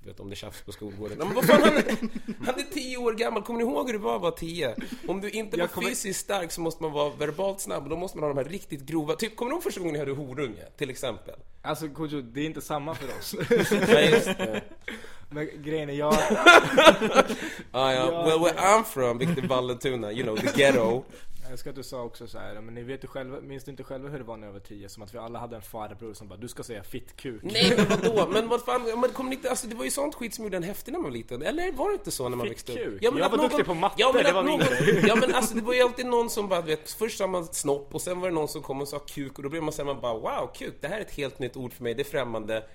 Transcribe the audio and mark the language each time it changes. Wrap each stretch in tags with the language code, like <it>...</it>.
<sv>Du vet, om det tjafs på skolgården. Men vad fan, han är 10 år gammal. Kommer ni ihåg hur det var 10? Om du inte var fysiskt stark så måste man vara verbalt snabb. Då måste man ha de här riktigt grova... Typ, kommer ni ihåg första gången ni hörde horunge, till exempel? Alltså, Kojo, det är inte samma för oss. Nej, just det. Men grejen är jag... ja.</sv> <en>Well, where I'm from, Victor Vallentuna, you know, the ghetto...</en> <sv>Jag ska att du sa också så här, men ni vet ju själva, minns du inte själva hur det var när jag var 10, som att vi alla hade en farbror som bara, du ska säga fitt kuk. Nej, men vadå? Men vad fan, men kom inte, alltså det var ju sånt skit som gjorde en häftig när man var liten, eller var det inte så när man växte upp? Ja, men jag var någon, duktig på matte, ja, men det var någon, ja, men alltså det var ju alltid någon som bara, vet, först sa man snopp och sen var det någon som kom och sa kuk och då blev man så här, man bara, wow, kuk, det här är ett helt nytt ord för mig, det är främmande.</sv>